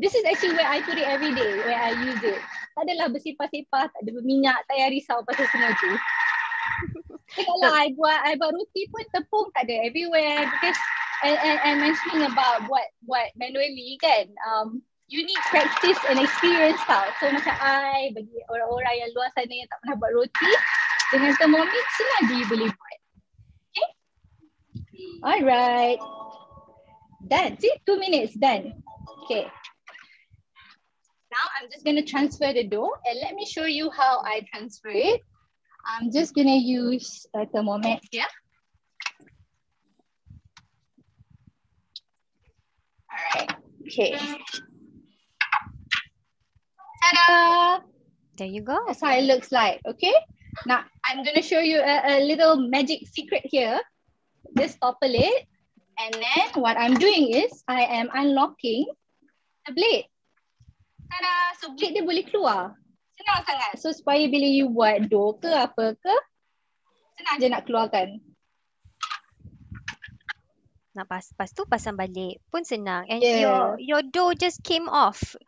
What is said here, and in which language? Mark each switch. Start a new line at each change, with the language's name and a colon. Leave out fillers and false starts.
English: This is actually where I put it every day, where I use it.
Malay: Tak adalah bersipas-sipas, tak ada berminyak, tak payah risau pasal semua tu. Kalau I buat roti pun tepung tak ada
English: everywhere, because and mentioning about what manually
Malay: kan,
English: you need practice and experience
Malay: tau. So macam I bagi orang-orang yang luar sana yang tak pernah buat roti, dengan termomix senang je you boleh buat.
English: Okay, alright, done. See, 2 minutes done. Okay, now I'm just going to transfer the dough, and let me show you how I transfer it. I'm just going to use a thermomet here. Alright, okay. Ta-da! There you go. That's how it looks like, okay? Now, I'm going to show you a little magic secret here. Just topple it. And then, what I'm doing is, I am unlocking the blade. Ta-da!
Malay: So, blade dia boleh keluar. Senang sangat. So supaya bila you buat dough ke apa ke, senang je nak keluarkan. Nak pas tu pasang balik pun senang.
English: And yeah, your dough just came off.